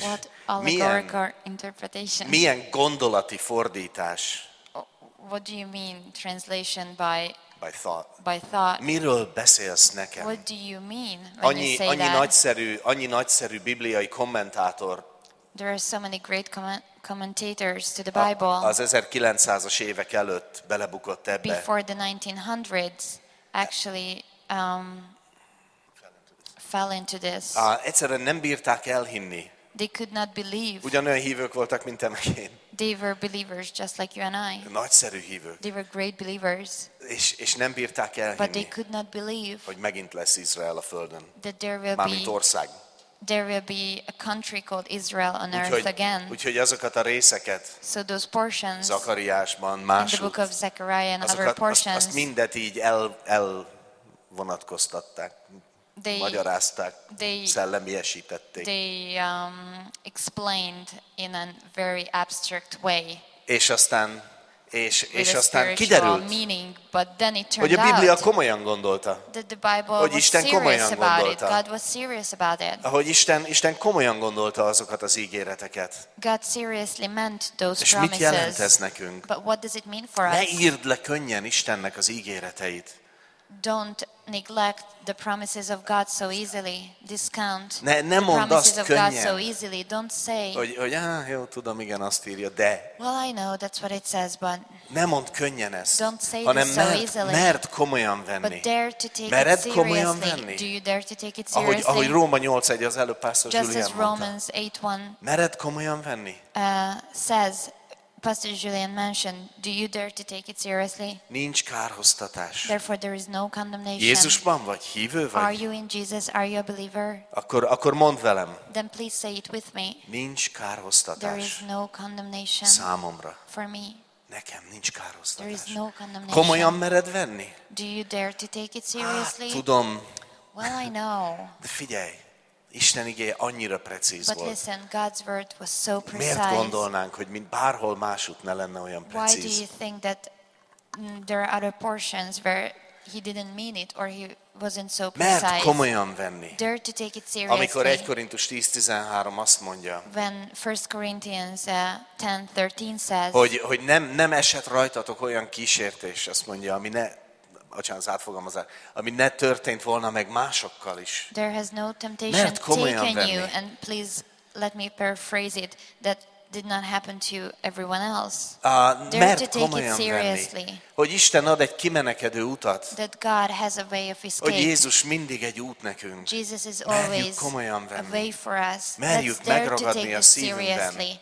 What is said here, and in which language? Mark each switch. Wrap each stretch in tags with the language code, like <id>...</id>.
<en>What allegorical interpretation?</en> <hu>Milyen gondolati fordítás?</hu> <en>What do you mean translation by by thought. By thought.</en> <hu>Miről beszélsz nekem?</hu> <en>What do you mean when annyi, you say annyi that?</en> <hu>Annyi nagyszerű bibliai kommentátor.</hu> <en>There are so many great commentators to the Bible.</en> <hu>Az 1900-as évek előtt belebukott ebbe.</hu> <en>Before the 1900s, actually, fell into this.</en> <hu>Egyszerűen nem bírták elhinni.</hu> <en>They could not believe.</en> <hu>Ugyanolyan hívők voltak, mint én.</hu> <en>They were believers just like you and I.</en> <hu>Nagyszerű hívők.</hu> <en>They were great believers.</en> <hu>És nem bírták elhinni.</hu> <en>But they could not believe.</en> <hu>Hogy megint lesz Izrael a földön.</hu> <en>That there will be.</en> <hu>Mármint ország.</hu> <en>There will be a country called Israel on earth again.</en> <hu>Úgyhogy azokat a részeket.</hu> <en>So those portions.</en> <hu>Zakariásban másút.</hu> <en>In the book of Zechariah and other portions.</en> <hu>Azt mindet így elvonatkoztatták. Magyarázták, szellemiesítették.</hu> <en>They explained in a very abstract way.</en> <hu>És aztán kiderült,</hu> <en>meaning, but then it turned</en> <hu>hogy a Biblia komolyan gondolta,</hu> <en>that the Bible</en> <hu>hogy Isten komolyan gondolta.</hu> <en>God was serious about it.</en> <hu>Hogy Isten komolyan gondolta azokat az ígéreteket.</hu> <en>God seriously meant those</en> <hu>promises. És mit jelent ez nekünk?</hu> <en>But what does it mean for us?</en> <hu>Ne írd le könnyen Istennek az ígéreteit.</hu> <en>Don't neglect the promises of God so easily. Discount</en> <hu>ne</hu> <en>the promises of</en> <hu>könnyen.</hu> <en>God so easily. Don't say.</en> <hu>Jó, tudom, igen, azt írja, de.</hu> <en>Well, I know that's what it says, but.</en> <hu>Ne mondd könnyen ezt.</hu> <en>Don't say</en> <hu>hanem</hu> <en>this so easily.</en> <hu>Mert komolyan venni.</hu> <en>But dare to take</en> <hu>mered</hu> <en>it seriously.</en> <hu>Venni.</hu> <en>Do you dare to take it seriously?</en> <hu>Ahogy Róma 8:1 az előbb Pásztor Julián mondta.</hu> <en>Just as Romans 8:1.</en> <hu>Mered komolyan venni.</hu> <en>Says Pastor Julian mentioned, do you dare to take it seriously?</en> <hu>Nincs kárhoztatás.</hu> <en>Therefore there is no condemnation.</en> <hu>Jézusban vagy, hívő vagy?</hu> <en>Are you in Jesus? Are you a believer?</en> <hu>Akkor mondd velem.</hu> <en>Then please say it with me.</en> <hu>Nincs kárhoztatás.</hu> <en>There is no condemnation.</en> <hu>Számomra.</hu> <en>For me.</en> <hu>Nekem nincs kárhoztatás.</hu> <en>There is no condemnation.</en> <hu>Komolyan mered venni?</hu> <en>Do you dare to take it seriously?</en> <hu>Tudom.</hu> <en>Well, I know.</en> <hu>De figyelj. Isten igéje annyira precíz</hu> <en>but</en> <hu>volt.</hu> <en>Listen, God's word was so precise.</en> <hu>Miért gondolnánk, hogy mint bárhol másút ne lenne olyan precíz?</hu> <en>Why do you think that there are other portions where he didn't mean it or he wasn't so precise?</en> <hu>Mert komolyan venni.</hu> <en>Dare to take it seriously.</en> <hu>Amikor 1 Korintus 10:13 azt mondja.</hu> <en>When 1 Corinthians 10:13 says.</en> <hu>Hogy nem esett rajtatok olyan kísértés, azt mondja, ami ne. Bocsánat, az átfogalmazás, ami ne történt volna meg másokkal is.</hu> <en>There has no temptation taken you, and please let me paraphrase it, that did not happen to everyone else.</en> <hu>Mert komolyan venni. Hogy Isten ad egy kimenekedő utat.</hu> <en>That God has a way of escape.</en> <hu>Hogy Jézus mindig egy út nekünk.</hu> <en>Jesus is always a way for us.</en> <hu>Merjük megragadni a szívünkben.</hu>